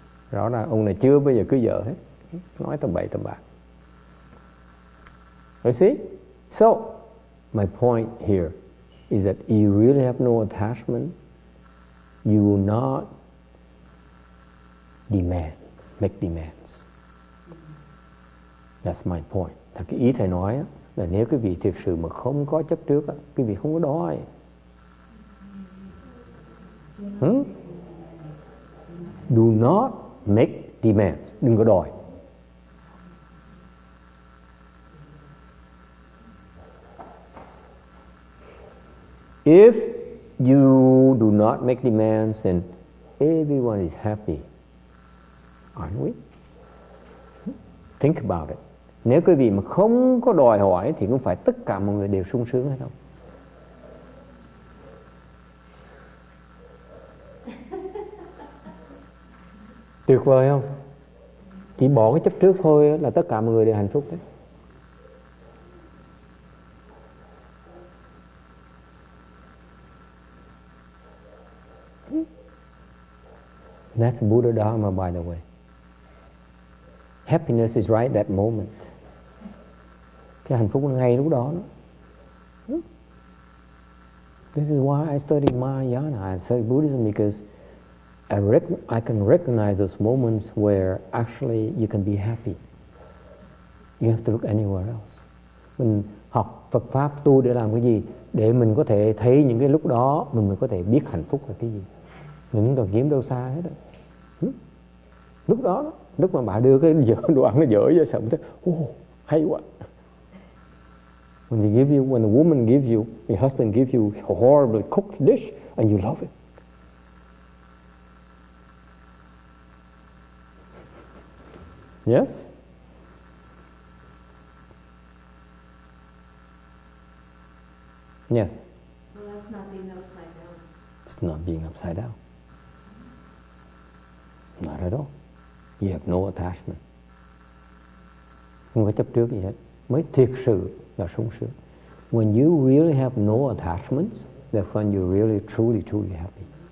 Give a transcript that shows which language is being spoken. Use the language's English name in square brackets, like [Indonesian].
[Vietnamese] Rõ ràng ông này chưa bao giờ cưới vợ hết, nói tầm bậy tầm bạ. [English] You see? So my point here is that if you really have no attachment, you will not demand, make demands. That's my point. [Vietnamese] Thật cái ý thầy nói á, là nếu quý vị thực sự mà không có chấp trước á, quý vị không có đói. [English] Do not make demands. [Vietnamese] Đừng có đòi. [English] If you do not make demands, then everyone is happy, aren't we? Think about it. [Vietnamese] Nếu quý vị mà không có đòi hỏi thì không phải tất cả mọi người đều sung sướng hay không? Tuyệt vời không? Chỉ bỏ cái chấp trước thôi là tất cả mọi người đều hạnh phúc đấy. [English] That's Buddha Dharma, by the way. Happiness is right that moment. [Vietnamese] Cái hạnh phúc ngay lúc đó. [English] This is why I study Mahayana, I study Buddhism, because I can recognize those moments where actually you can be happy. You have to look anywhere else. [Vietnamese] Mình học Phật Pháp tu để làm cái gì? Để mình có thể thấy những cái lúc đó mình mới có thể biết hạnh phúc là cái gì. Mình không cần kiếm đâu xa hết đó. Lúc đó, lúc mà bà đưa cái dở, đồ ăn nó dở ra sao mình thấy, hay quá. [English] When they give you, when the woman gives you, your husband gives you a horribly cooked dish and you love it. Yes? Yes? Well, that's not being upside down. It's not being upside down. Not at all. You have no attachment. [Vietnamese] Không có chấp trước gì hết. Mới thiệt sự là sung sướng. [English] When you really have no attachments, that's when you're really truly, truly happy.